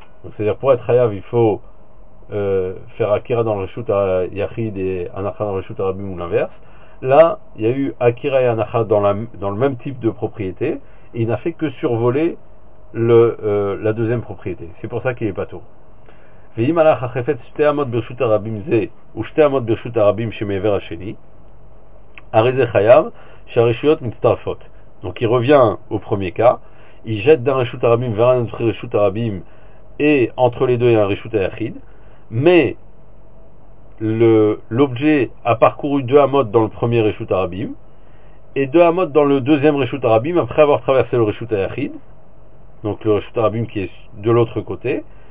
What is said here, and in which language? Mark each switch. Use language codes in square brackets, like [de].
[fr] Donc, c'est-à-dire pour être hayav, il faut faire akira dans le reshut ayachid et anacha dans le reshut arabim ou l'inverse. Là, il y a eu akira et anacha dans le même type de propriété et il n'a fait que survoler la deuxième propriété. C'est pour ça qu'il est patour. [he] ואם הלך החפץ שתי עמות ברשות הרבים זה ושתי עמות ברשות הרבים שמעבר השני הרי זה חייב שהרשויות מצטרפות. [fr] Donc il revient au premier cas, il jette d'un reshut arabim vers un autre reshut arabim et entre les deux il y a un reshut ayachid, mais l'objet a parcouru deux amot dans le premier reshut arabim et deux amot dans le deuxième reshut arabim après avoir traversé le reshut ayachid, donc le reshut arabim qui est de l'autre côté.